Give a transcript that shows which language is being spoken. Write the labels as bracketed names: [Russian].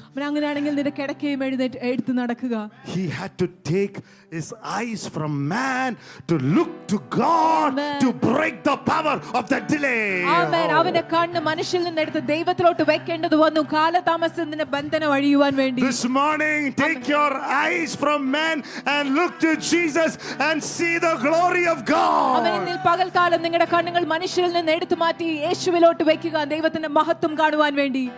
[Malayalam] അവൻ അങ്ങനെയാണെങ്കിൽ നിന്റെ കിടക്കയും എടുത്ത് നടക്കുക. [English] He had to take his eyes from man to look to God. Amen. To break the power of the delay. Amen. [Malayalam] അവനെ കണ്ണ് മനുഷ്യൻ നിന്ന് എടുത്ത് ദൈവത്തിലോട്ട് വെക്കേണ്ടത് വന്നു കാലതാമസത്തിന്റെ ബന്ധനം അഴിയുവാൻ വേണ്ടി. [English] This morning take your eyes from man and look to Jesus and see the glory of God. [Malayalam] അവൻ ഇന്നിൽ പകൽക്കാലം നിങ്ങളുടെ കണ്ണുകൾ മനുഷ്യൻ നിന്ന് എടുത്തു മാറ്റി യേശുവിലോട്ട് വെക്കുക ദൈവത്തിന്റെ മഹത്വം കാണുവാൻ വേണ്ടി.